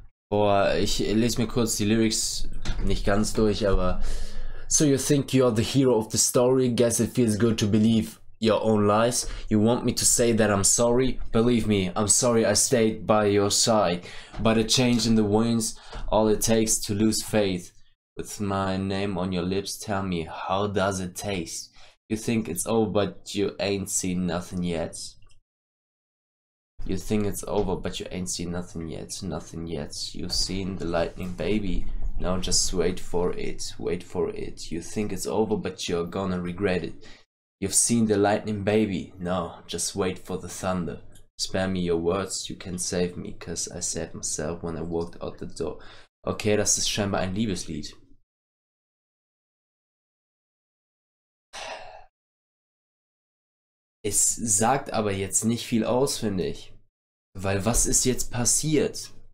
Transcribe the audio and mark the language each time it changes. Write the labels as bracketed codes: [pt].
[de] Boah, ich lese mir kurz die Lyrics nicht ganz durch, aber. [en] So you think you're the hero of the story? Guess it feels good to believe your own lies. You want me to say that I'm sorry? Believe me, I'm sorry I stayed by your side. But a change in the winds, all it takes to lose faith. With my name on your lips, tell me, how does it taste? You think it's over, but you ain't seen nothing yet. You think it's over, but you ain't seen nothing yet, nothing yet. You've seen the lightning, baby. Now just wait for it. You think it's over, but you're gonna regret it. You've seen the lightning, baby. Now just wait for the thunder. Spare me your words, you can save me, cause I saved myself when I walked out the door. [de] Okay, das ist scheinbar ein Liebeslied. Es sagt aber jetzt nicht viel aus, finde ich. Weil was ist jetzt passiert?